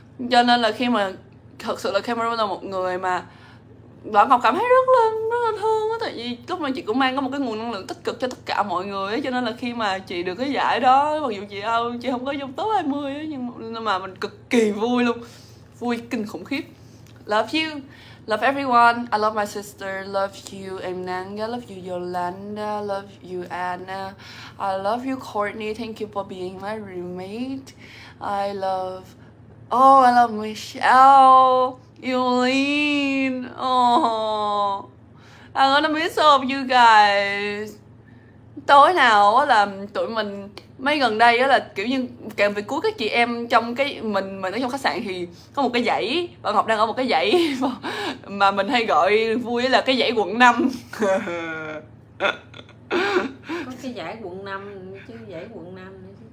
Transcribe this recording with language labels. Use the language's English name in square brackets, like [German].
[Vietnamese] Cho nên là khi mà thật sự là Cameroon là một người mà Bảo Ngọc cảm thấy rất là thương á, tại vì lúc mà chị cũng mang có một cái nguồn năng lượng tích cực cho tất cả mọi người á, cho nên là khi mà chị được cái giải đó, mặc dù chị ơi chị không có vô top 20 á, nhưng mà mình cực kỳ vui luôn, vui kinh khủng khiếp. [English] Love you, love everyone, I love my sister, love you Enanga, love you Yolanda, love you Anna, I love you Courtney, thank you for being my roommate, I love, oh I love Michelle, Yulene, oh, I'm gonna miss all of you guys. [Vietnamese] Tối nào là tụi mình mấy gần đây á, là kiểu như càng về cuối các chị em trong cái mình ở trong khách sạn thì có một cái dãy, Bảo Ngọc đang ở một cái dãy mà mình hay gọi vui là cái dãy quận 5. Có cái dãy quận 5 chứ, dãy quận 5 nữa chứ.